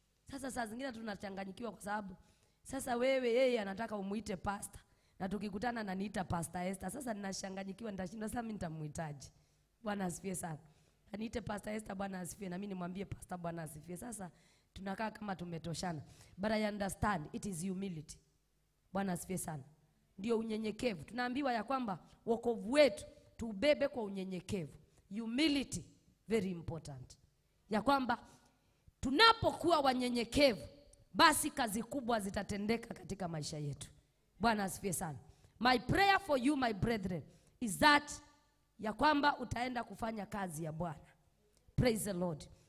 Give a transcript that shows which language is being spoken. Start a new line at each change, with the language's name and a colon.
Swahili: Sasa saa zingine tunachanganyikiwa kwa sababu sasa wewe yeye anataka umuite pastor na tukikutana ananiita Pastor Esther. Sasa ninashanganyikiwa, nitashinda sasa mimi nitamuitaje? Bwana asifiwe sana. Aniite Pastor Esther, Bwana asifiwe, na mimi nimwambie Pastor, Bwana asifiwe. Sasa tunakaa kama tumetoshana.
English: But I understand it is humility.
Swahili: Bwana asifiwe sana. Ndio unyenyekevu. Tunaambiwa ya kwamba wokovu wetu tubebe kwa unyenyekevu.
English: Humility very important.
Swahili: Ya kwamba tunapokuwa wanyenyekevu, basi kazi kubwa zitatendeka katika maisha yetu. Bwana asifiwe sana.
English: My prayer for you my brethren is that
Swahili: ya kwamba utaenda kufanya kazi ya Bwana.
English: Praise the Lord.